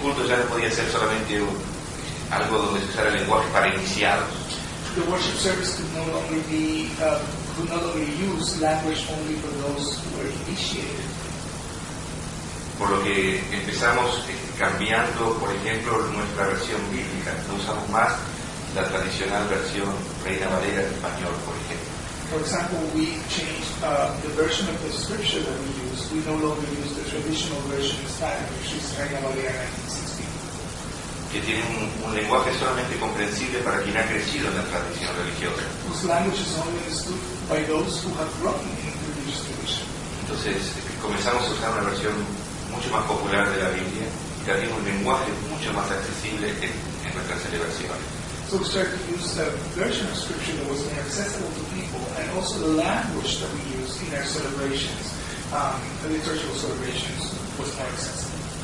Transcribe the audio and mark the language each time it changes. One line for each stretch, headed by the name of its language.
Spanish: culto ya no podía ser solamente algo donde se usara el lenguaje para iniciados.
English: The worship service could not only use language only for those who were initiated.
Spanish: Por lo que empezamos cambiando, por ejemplo, nuestra versión bíblica. No usamos más la tradicional versión Reina Valera en español, por ejemplo.
English: For example, we changed the version of the scripture that we use. We no longer use the traditional version in Spanish, which is Reina Valera 1960.
Spanish: Que tiene un lenguaje solamente comprensible para quien ha crecido en la tradición religiosa.
English: Whose language is only understood by those who have grown in the religious tradition.
Spanish: Entonces, comenzamos a usar una versión mucho más popular de la Biblia y también un lenguaje mucho más accesible en nuestra celebración.
English: So we started to use the version of scripture that was more accessible to people, and also the language that we use in our celebrations, the liturgical celebrations, was more accessible.